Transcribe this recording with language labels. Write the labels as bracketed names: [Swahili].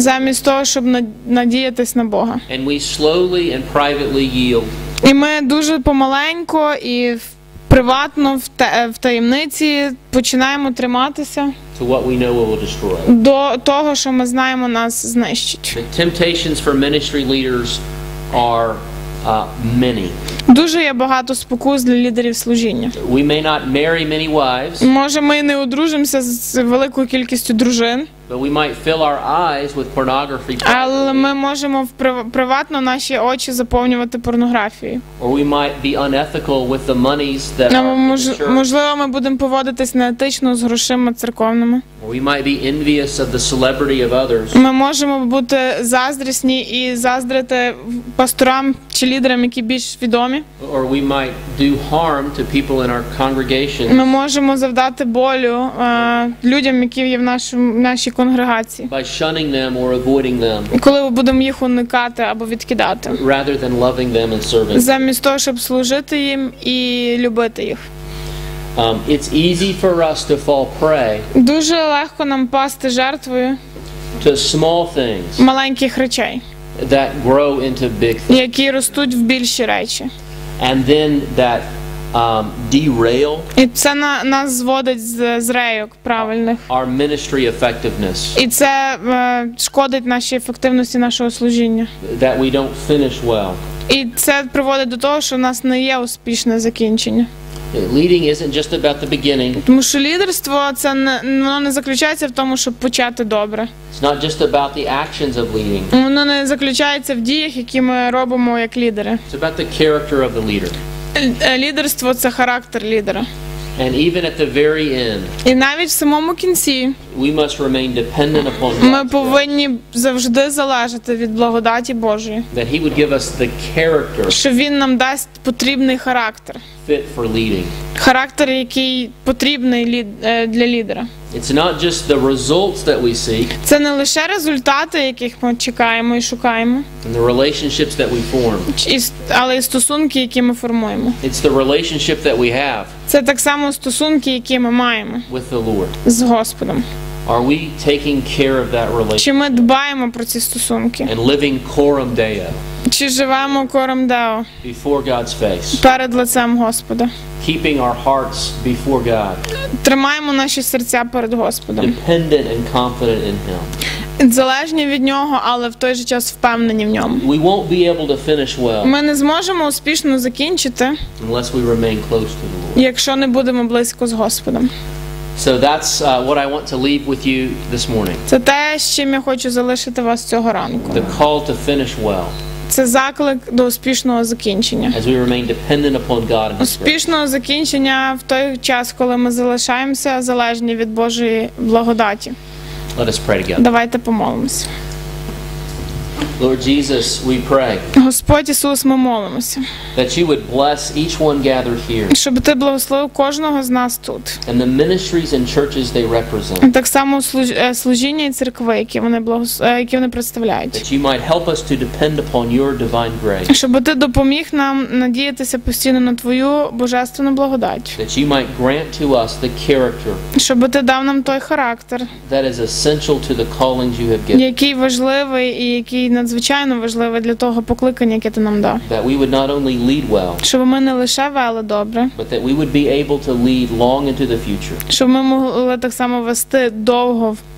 [Ukrainian] Замість того, щоб надіятись на Бога. [English] And we slowly and privately yield. [Ukrainian] І ми дуже помаленько і приватно в таємниці починаємо триматися [English] to what we know will destroy. [Ukrainian] До того, що ми знаємо, нас знищить. [English] The temptations for ministry leaders are many. [Ukrainian] Дуже є багато спокус для лідерів служіння. [English] We may not marry many wives. [Ukrainian] Може, ми не одружимося з великою кількістю дружин. [English] But we might fill our eyes with pornography. [Ukrainian] Але ми можемо приватно наші очі заповнювати порнографією. [English] Or we might be unethical with the monies that are in the church. [Ukrainian] Можливо, ми будемо поводитись неетично з грошима церковними. [English] Or we might be envious of the celebrity of others. [Ukrainian] Ми можемо бути заздрісні і заздрити пасторам чи лідерам, які більш відомі. [English] Or we might do harm to people in our congregation. [Ukrainian] Ми можемо завдати болю людям, які є в нашій конгрегації. [English] By shunning them or avoiding them. [Ukrainian] Коли ми будемо їх уникати або відкидати. [English] Rather than loving them and serving them. [Ukrainian] Замість того, щоб служити їм і любити їх. [English] It's easy for us to fall prey. [Ukrainian] Дуже легко нам пасти жертвою. [English] To small things. [Ukrainian] Маленьких речей. [English] That grow into big things. [Ukrainian] Які ростуть в більші речі. [English] And then that derail. [Ukrainian] І це нас зводить з рейок правильних. [English] Our ministry effectiveness. [Ukrainian] І це шкодить нашій ефективності нашого служіння. [English] That we don't finish well. [Ukrainian] І це приводить до того, що у нас не є успішне закінчення. [English] Leading isn't just about the beginning. [Ukrainian] Тому що лідерство це воно не заключається в тому, щоб почати добре. [English] It's not just about the actions of leading. [Ukrainian] Воно не заключається в діях, які ми робимо як лідери. [English] It's about the character of the leader. [Ukrainian] Лідерство це характер лідера. [English] And even at the very end. [Ukrainian] І навіть в самому кінці. [English] We must remain dependent upon God. [Ukrainian] Ми повинні завжди залежати від благодаті Божої. [English] That he would give us the character. [Ukrainian] Що він нам дасть потрібний характер. [English] Fit for leading. [Ukrainian] Характер, який потрібний для лідера. [English] It's not just the results that we seek. [Ukrainian] Це не лише результати, яких ми чекаємо і шукаємо. [English] And the relationships that we form. [Ukrainian] Але і стосунки, які ми формуємо. [English] It's the relationship that we have. [Ukrainian] Це так само стосунки, які ми маємо. [English] With the Lord. [Ukrainian] З Господом. [English] Are we taking care of that relationship? [Ukrainian] Чи ми дбаємо про ці стосунки? [English] And living coram Deo. [Ukrainian] Чи живемо coram Deo? [English] Before God's face. [Ukrainian] Перед лицем Господа. [English] Keeping our hearts before God. [Ukrainian] Тримаємо наші серця перед Господом. [English] Dependent and confident in him. [Ukrainian] Залежні від нього, але в той же час впевнені в ньому. [English] We won't be able to finish well. [Ukrainian] Ми не зможемо успішно закінчити. [English] Unless we remain close to the Lord. [Ukrainian] Якщо не будемо близько з Господом. [English] So that's what I want to leave with you this morning. [Ukrainian] Це те, з чим я хочу залишити вас цього ранку. [English] The call to finish well. [Ukrainian] Це заклик до успішного закінчення. [English] As we remain dependent upon God. [Ukrainian] Успішного закінчення в той час, коли ми залишаємося залежні від Божої благодаті. [English] Let us pray together. [Ukrainian] Давайте помолимося. [English] Lord Jesus, we pray. [Ukrainian] Господь Ісус, ми молимося. [English] That you would bless each one gathered here. [Ukrainian] Щоб ти благословив кожного з нас тут. [English] And the ministries and churches they represent. [Ukrainian] Так само служіння і церкви, які вони представляють. [English] That you might help us to depend upon your divine grace. [Ukrainian] Щоб ти допоміг нам надіятися постійно на твою божественну благодать. [English] That you might grant to us the character. [Ukrainian] Щоб ти дав нам той характер. [English] That is essential to the callings you have given. [Ukrainian] Який важливий і який надзвичайно важливе для того покликання, яке ти нам дав. [English] That we would not only lead well, [Ukrainian] щоб ми не лише вели добре, [English] but that we would be able to lead long into the future. [Ukrainian] Щоб ми могли так само вести довго.